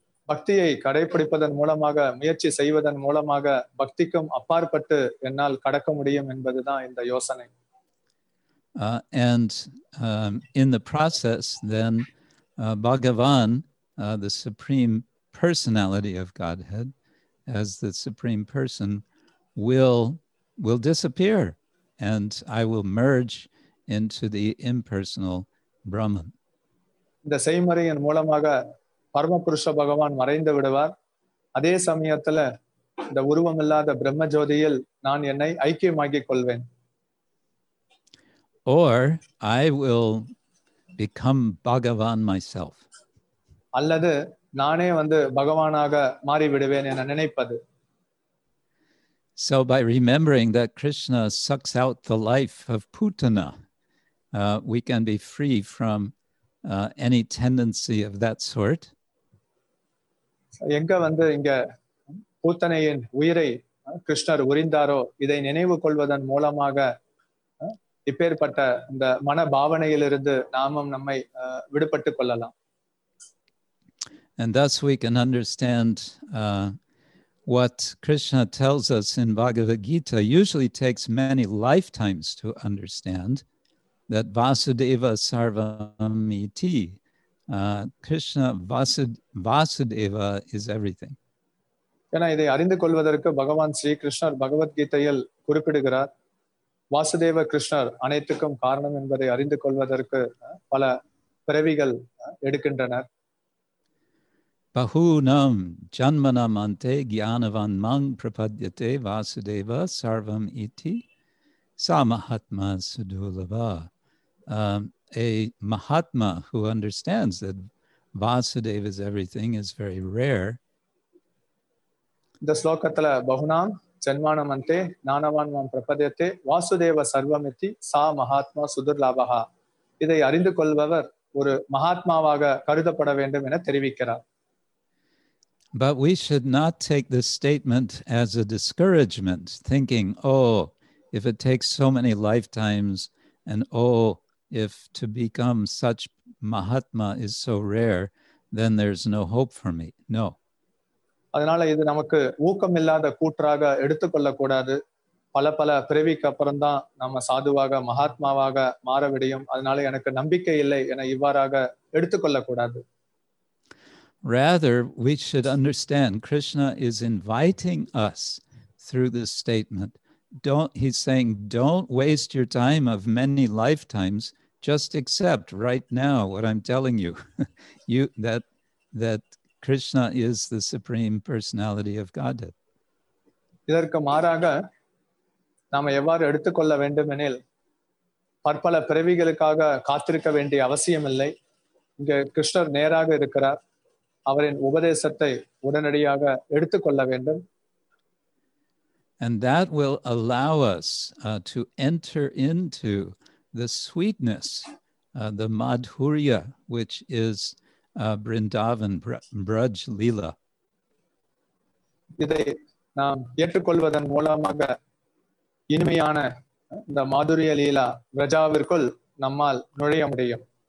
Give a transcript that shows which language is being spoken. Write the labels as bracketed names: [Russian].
[Tamil] பக்தியை கடைபிடிப்பதன் மூலமாக முயற்சி செய்வதன் மூலமாக பக்திக்கும் அப்பாற்பட்டு என்னால் கடக்க முடியும் என்பதுதான் இந்த யோசனை. [English] And in the process, then Bhagavan, the Supreme Personality of Godhead, as the Supreme Person, will disappear, and I will merge into the impersonal Brahman. [Tamil] இந்த செய்முறையின் மூலமாக பரமபுருஷ பகவான் மறைந்து விடுவார். அதே சமயத்துல இந்த உருவம் இல்லாத பிரம்ம ஜோதியில் நான் என்னை ஐக்கியமாக்கிக் கொள்வேன். [English] Or I will become Bhagavan myself. [Tamil] அல்லது நானே வந்து பகவானாக மாறி விடுவேன் என நினைப்பது. [English] So by remembering that Krishna sucks out the life of Putana, we can be free from any tendency of that sort. [Tamil] எங்க வந்து இங்க பூத்தனையின் உயிரை கிருஷ்ணர் உரிந்தாரோ இதை நினைவு கொள்வதன் மூலமாக இப்பேற்பட்ட இந்த மன பாவனையிலிருந்து நாமும் நம்மை விடுபட்டு கொள்ளலாம். [English] And thus we can understand what Krishna tells us in Bhagavad Gita. Usually takes many lifetimes to understand that [Sanskrit] Vasudeva Sarvam Iti. [English] Krishna Vasudeva is everything. [Tamil] ஏன்னா இதை அறிந்து கொள்வதற்கு பகவான் ஸ்ரீ கிருஷ்ணர் பகவத்கீதையில் குறிப்பிடுகிறார். வாசுதேவ கிருஷ்ணர் அனைத்துக்கும் காரணம் என்பதை அறிந்து கொள்வதற்கு பல பிறவிகள் எடுக்கின்றனர். [Sanskrit] Bahunam janmanam ante gyanavan mang prapadyate vasudeva sarvam iti sa mahatma sudulava. [English] A mahatma who understands that Vasudeva is everything is very rare. [Sanskrit] The slokatala bahunam janmanam ante nanavan mang prapadyate vasudeva sarvam iti sa mahatma sudulava. [Tamil] Idai arindu kolvavar ஒரு மகாத்மாவாக கருதப்பட வேண்டும் என தெரிவிக்கிறார். [English] But we should not take this statement as a discouragement, thinking, oh, if it takes so many lifetimes, and oh, if to become such Mahatma is so rare, then there's no hope for me. No. [Tamil] அதனால இது நமக்கு ஊக்கமில்லாத கூற்றாக எடுத்துக்கொள்ள கூடாது. பல பல பிறவிக்கு அப்புறம் தான் நம்ம சாதுவாக மகாத்மாவாக மாற முடியும். அதனால எனக்கு நம்பிக்கை இல்லை என இவ்வாறாக எடுத்துக்கொள்ள கூடாது. [English] Rather, we should understand Krishna is inviting us through this statement. He's saying, don't waste your time of many lifetimes. Just accept right now what I'm telling you, that Krishna is the Supreme Personality of Godhead. [Tamil] இதற்கு மாறாக நாம் எவ்வாறு எடுத்துக்கொள்ள வேண்டுமெனில், பற்பல பிறவிகளுக்காக காத்திருக்க வேண்டிய அவசியம் இல்லை. இங்கே கிருஷ்ணர் நேராக இருக்கிறார். அவரின் உபதேசத்தை உடனடியாக எடுத்துக்கொள்ள வேண்டும். [English] And that will allow us to enter into the sweetness, the madhurya, which is Vrindavan, Braj Leela. [Tamil] இதை நாம் ஏற்றுக்கொள்வதன் மூலமாக இனிமையான இந்த மாதுரிய லீலா பிரஜாவிற்குள் நம்மால் நுழைய முடியும்.